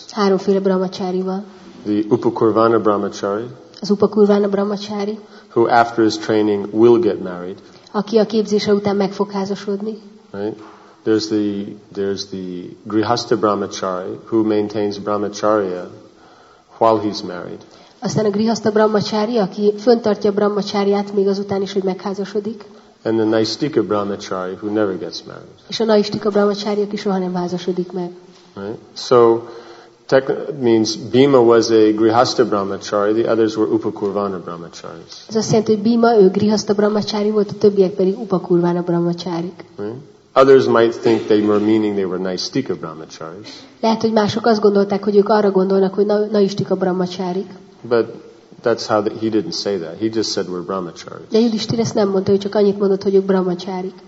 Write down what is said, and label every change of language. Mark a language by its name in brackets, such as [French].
[Hungarian] Háromféle brahmachari van. [English] The upakurvana brahmachari. [Hungarian] Az upakurvana brahmachari, [English] who after his training will get married. [Hungarian] Aki a képzése után meg fog házasodni. [English] Right? There's the grihastha brahmachari, who maintains brahmacharya while he's married. [Hungarian] Aztán a grihastha brahmachari, aki fönntartja brahmacharyát még azután is, hogy megházasodik. [English] And the naistika brahmachari, who never gets married. [Hungarian] És a naistika brahmachari, aki soha nem házasodik meg. [English] Right? So means Bhima was a grihastha brahmachari, the others were upakurvana brahmacharis. [Hungarian] Ez azt jelenti, hogy Bhima ő grihastha brahmachari volt, a többiek pedig upakurvana brahmacharik. [English] Others might think they were meaning they were naistika brahmacharis. [Hungarian] Lehet, hogy mások azt gondolták, hogy ők arra gondolnak, hogy naistika brahmacharik. [English] But that's how the, he didn't say that. He just said we're brahmacharis. [Hungarian] De Yudhisthira ezt nem mondta, ő csak annyit mondott, hogy ők brahmacharik.